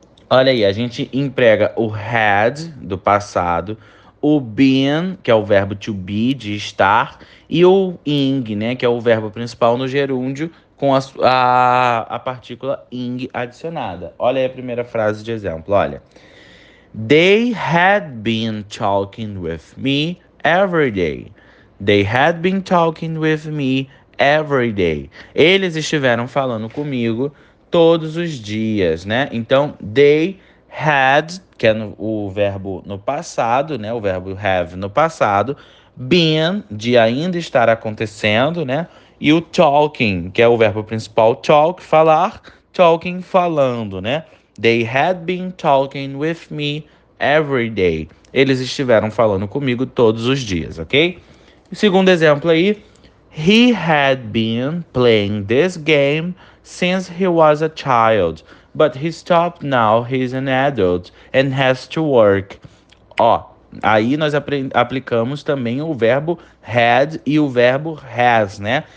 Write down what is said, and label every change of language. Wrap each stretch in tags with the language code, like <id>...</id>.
<pt>Olha aí, a gente emprega o had do passado. O been, que é o verbo to be, de estar, e o ing, né, que é o verbo principal no gerúndio, com a partícula ing adicionada. Olha aí a primeira frase de exemplo, olha.</pt> <en>They had been talking with me every day. They had been talking with me every day.</en> <pt>Eles estiveram falando comigo todos os dias, né? Então, they had, que é o verbo no passado, né? O verbo have no passado. Been, de ainda estar acontecendo, né? E o talking, que é o verbo principal, talk, falar. Talking, falando, né?</pt> <en>They had been talking with me every day.</en> <pt>Eles estiveram falando comigo todos os dias, ok? Segundo exemplo aí.</pt> <en>He had been playing this game since he was a child. But he stopped now, he's an adult and has to work.</en> <pt>Ó, aí nós aplicamos também o verbo had e o verbo has, né?</pt>